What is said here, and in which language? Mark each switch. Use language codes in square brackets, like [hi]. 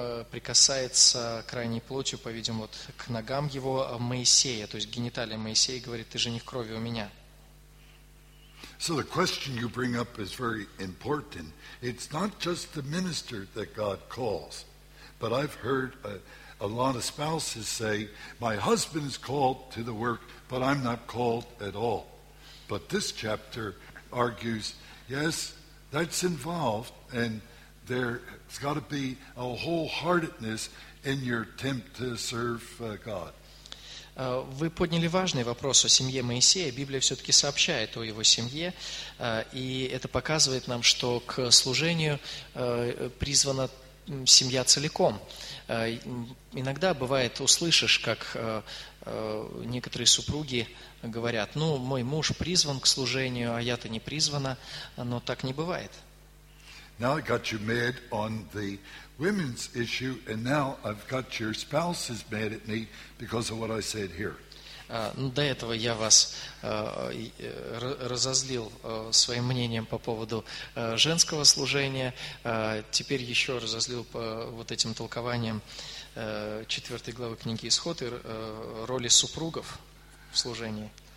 [ru] прикасается крайней плотью, по-видимому, вот, к ногам его Моисея, то есть гениталия Моисея, говорит, ты жених крови у меня. [en] So the question you bring up is very important. It's not just the minister that God calls, but I've heard a lot of spouses say, my husband is called to the work, but I'm not called at all. But this chapter argues, yes, that's involved, and there's got to be a wholeheartedness in your attempt to serve God. [ru] Вы подняли важный вопрос о семье Моисея. Библия все-таки сообщает о его семье, и это показывает нам, что к служению призвана семья целиком. Иногда бывает, услышишь, как некоторые супруги говорят, ну, мой муж призван к служению, а я-то не призвана, но так не бывает. [en] Now I got you mad on the women's issue, and now I've got your spouses mad at me because of what I said here. [ru] До этого я вас разозлил своим мнением по поводу женского служения, теперь еще разозлил по вот этим толкованием 4 главы книги Исход и роли супругов в служении.